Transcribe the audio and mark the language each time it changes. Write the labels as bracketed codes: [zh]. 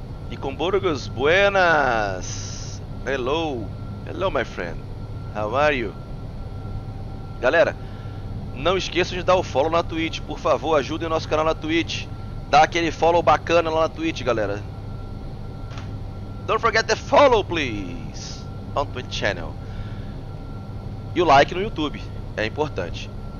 [pt] E com Burgos, [en] buenas! Hello! Hello my friend! How are you? [pt] Galera, não esqueçam de dar o follow na Twitch, por favor, ajudem o nosso canal na Twitch. Dá aquele follow bacana lá na Twitch, galera. [en] Don't forget the follow, please, on Twitch channel. [pt] E o like no YouTube, é importante.